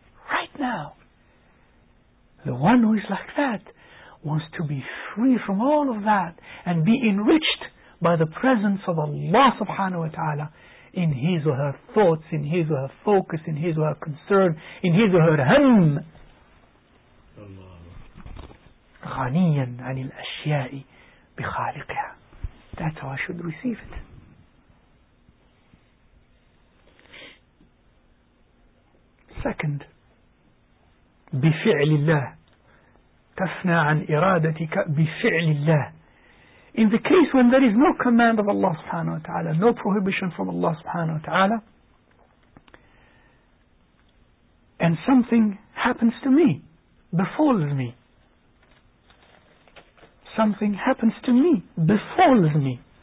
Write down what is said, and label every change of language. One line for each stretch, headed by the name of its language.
English: Right now. The one who is like that wants to be free from all of that and be enriched by the presence of Allah subhanahu wa ta'ala in his or her thoughts, in his or her focus, in his or her concern, in his or her hamm.
Arabic: غَنِيًّا عَنِ الْأَشْيَاءِ بِخَالِقِهَا.
English: That's how I should receive it.
Arabic: Second, بِفِعْلِ اللَّهِ تَفْنَى عَنْ إِرَادَتِكَ بِفِعْلِ اللَّهِ.
English: In the case when there is no command of Allah subhanahu wa ta'ala, no prohibition from Allah subhanahu wa ta'ala, and something happens to me, befalls me, something happens to me, befalls me.